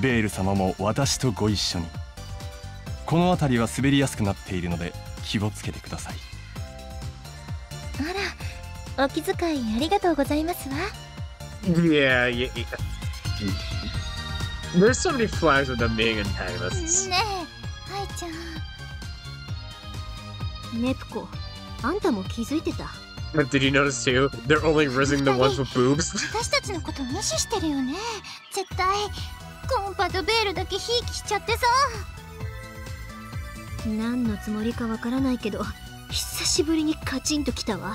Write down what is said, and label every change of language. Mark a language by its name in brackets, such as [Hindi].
[Japanese] ベール様も私とご一緒に。この辺りは滑りやすくなっているので気をつけてください。あら、お気遣いありがとうございますわ。 [English] Yeah, yeah, yeah. There's so many flags with them being antagonists. [Japanese] ねえ、アイちゃん。ネプコ、あんたも気づいてた。 [English] Did you notice too? They're only raising the ones with boobs. [Japanese] 私たちのこと無視してるよね。絶対、コンパとベールだけひいきしちゃってさ。何のつもりかわからないけど、久しぶりにカチンときたわ。